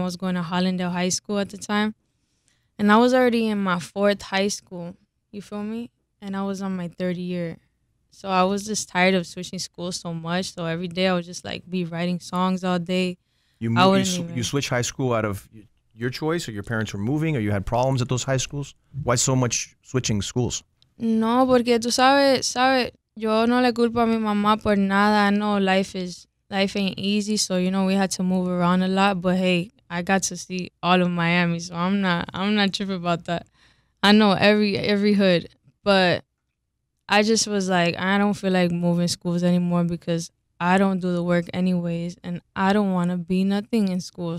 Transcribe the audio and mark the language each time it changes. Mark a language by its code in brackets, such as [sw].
[en] I was going to Hollandale High School at the time, and I was already in my fourth high school, you feel me? And I was on my third year. So I was just tired of switching schools so much. So every day I would just like be writing songs all day. You moved, you switched high school out of your choice, or your parents were moving, or you had problems at those high schools? Why so much switching schools? [es] No, porque tú sabes, yo no le culpo a mi mamá por nada. [en] I know life ain't easy, so you know we had to move around a lot, but hey, I got to see all of Miami, so I'm not tripping about that. I know every hood, but I just was like, I don't feel like moving schools anymore because I don't do the work anyways, and I don't want to be nothing in school.